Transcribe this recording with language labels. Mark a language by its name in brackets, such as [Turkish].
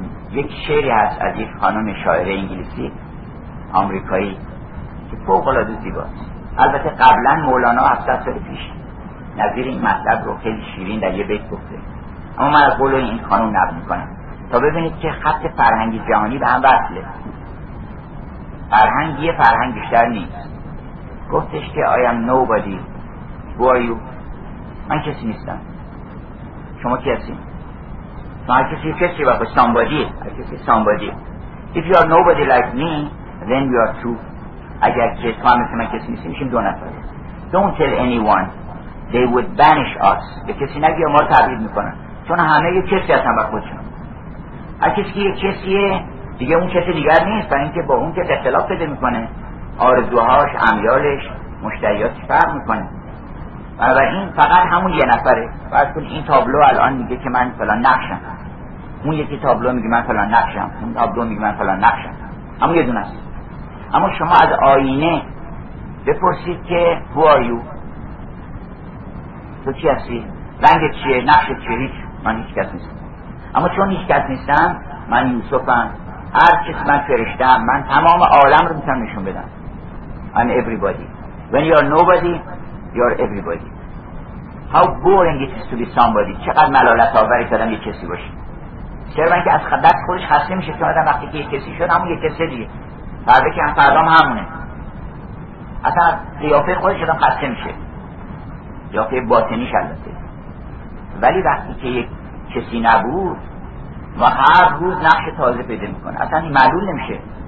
[Persian] یک شعری هست از یک خانم شاعر انگلیسی آمریکایی که فوق‌العاده زیباست. البته قبلا مولانا 700 سال پیش نظیر این مطلب رو خیلی شیرین در یه بیت گفته، اما من از قول این خانم نقل میکنم تا ببینید که خط فرهنگی جهانی به هم وصله. فرهنگ یه فرهنگ بیشتر نیست. گفتش که [English] I am nobody. Who are you? [Persian] من کسی نیستم. شما کی هستی؟ شما هر کسی کسی باقی somebody. هر کسی somebody. [English] If you are nobody like me, then you are true. [Persian] اگر که تو هم مثل من کسی نیستی میشیم دو نفر. [English] Don't tell anyone. They would banish us. [Persian] به کسی نگی ما رو تبعید میکنن. چون همه یه کسی هستن با خودشون. هر کسی که یه کسیه دیگه اون کسی دیگر نیست، برای اینکه با اون کسی اختلاف پیدا میکنه، آرزوهاش، امیالش، مشتریاتش فرق میکنه. بنابراین فقط همون یه نفره. فرض کن این تابلو الان میگه که من فلان نقشم، اون یکی تابلو میگه من فلان نقشم، اون تابلو میگه من فلان نقشم، همون یه دونه است. اما شما از آینه بپرسید که [English] Who are you؟ [Persian] تو چی هستی؟ رنگ چیه؟ نقش چیه؟ هیچ، من هیچ کس نیستم. اما چون هیچ کس نیستم، من یوسفم، هر کس من فرشتم، من تمام عالم رو میتونم نشون بدم. [English] I'm everybody. When you are nobody, you are everybody. How boring it is to be somebody. [Persian] چقدر ملالت آوری که آدم یک کسی باشی. چرا من که از خدت خودش خسته میشه، چون آدم وقتی که یک کسی شد همون یک کسی دیگه. فرده که هم فردام همونه. اصلا قیافه خودش آدم خسته میشه. قیافه باطنیش البته. ولی وقتی که یک کسی نبود، و هر روز نقش تازه پیدا میکنه، اصلا معلول نمیشه.